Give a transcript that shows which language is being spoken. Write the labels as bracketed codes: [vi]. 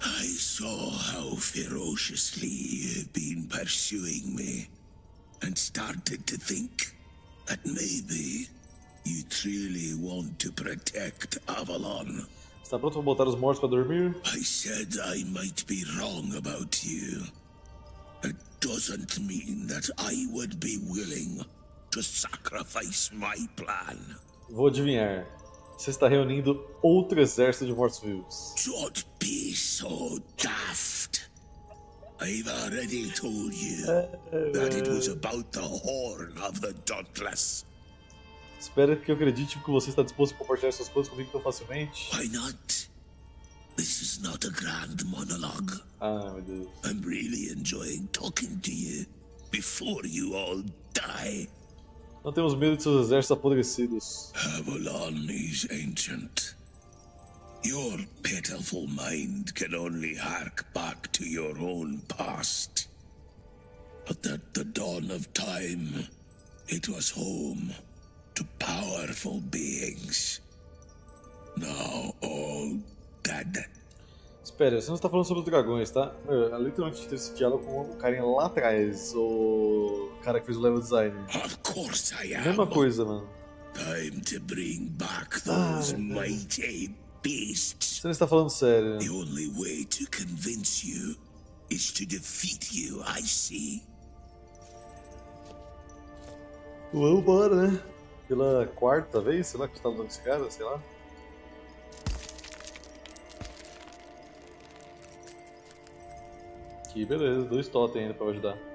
[en] I saw how ferociously you've been pursuing me and started to think that maybe you truly want to protect Avalon. [pt] Está pronto para botar os mortos para dormir? [en] I said I might be wrong about you. It doesn't mean that I would be willing to sacrifice my plan. [pt] Vou adivinhar. Você está reunindo outro exército de mortos-vivos. [en] Don't be so daft. I've already told you that it was about the horn of the Dauntless. [pt] Espero que eu acredite que você está disposto a compartilhar essas coisas comigo tão facilmente. [en] Why not? This is not a grand monologue. [pt] Ah, meu Deus. [en] I'm really enjoying talking to you before you all die. [pt] Não temos medo de seus exércitos apodrecidos. [en] Avalon is ancient. Your pitiful mind can only hark back to your own past. But at the dawn of time, it was home to powerful beings. Now all dead. [pt] Espera, você não está falando sobre os dragões, tá? Eu literalmente tive esse diálogo com um carinha lá atrás, o cara que fez o level design. [en] Of course I am. [pt] Mesma coisa, mano. [en] Time to bring back those mighty beasts. [pt] Você não está falando sério. [en] The only way to convince you is to defeat you, I see. [pt] Vamos embora, né? Pela quarta vez, sei lá, que está dando esse cara, sei lá. Aqui, beleza, dois totem ainda pra ajudar.